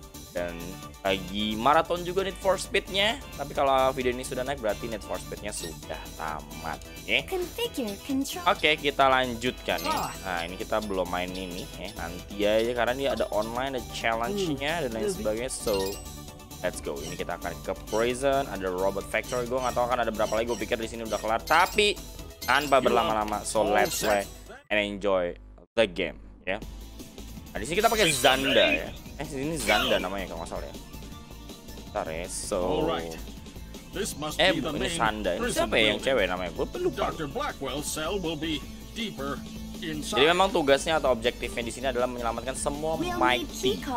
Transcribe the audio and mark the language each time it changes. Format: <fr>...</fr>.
<id>Dan lagi maraton juga Need for Speed-nya. Tapi kalau video ini sudah naik berarti Need for Speed-nya sudah tamat ya. Oke, kita lanjutkan ya. Nah, ini kita belum main ini ya. Nanti aja karena ini ada online ada challenge-nya dan lain sebagainya.</id> <en>So, let's go.</en> <id>Ini kita akan ke prison, ada robot factory. Gue enggak tahu akan ada berapa lagi. Gue pikir di sini udah kelar, tapi tanpa berlama-lama.</id> <en>So, let's play and enjoy the game ya.</en> <id>Nah, di sini kita pakai Zanda ya. Ini Zanda namanya kalau nggak salah ya. Bentar ya, so... ini Zanda, ini siapa ya yang cewek namanya? Gue lupa. Dr.</id> <en>Blackwell's cell will be deeper inside.</en> <id>Jadi memang tugasnya atau objektifnya di sini adalah menyelamatkan semua Mighty.</id>